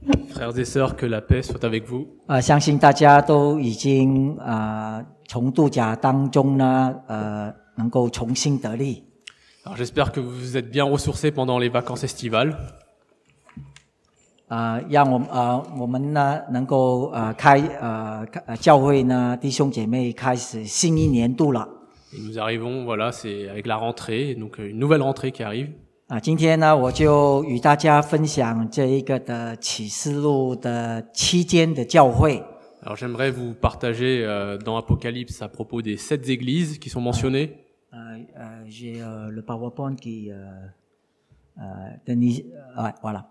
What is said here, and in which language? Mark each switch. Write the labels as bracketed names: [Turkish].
[French] Frères et sœurs, que la paix soit avec vous. [Chinese] 相信大家都已经从度假当中呢，能够重新得力。 [French] Alors, j'espère que vous vous êtes bien ressourcés pendant les vacances estivales. [Chinese] 让我们呢能够教会呢弟兄姐妹开始新一年度了。 [French] Et nous arrivons, voilà, c'est avec la rentrée, donc une nouvelle rentrée qui arrive. [Chinese] 今天呢我就与大家分享这一个的启示录的七间的教会。 [French] Alors, j'aimerais vous partager, dans Apocalypse à propos des sept églises qui sont mentionnées. J'ai, le PowerPoint qui, Denis, voilà.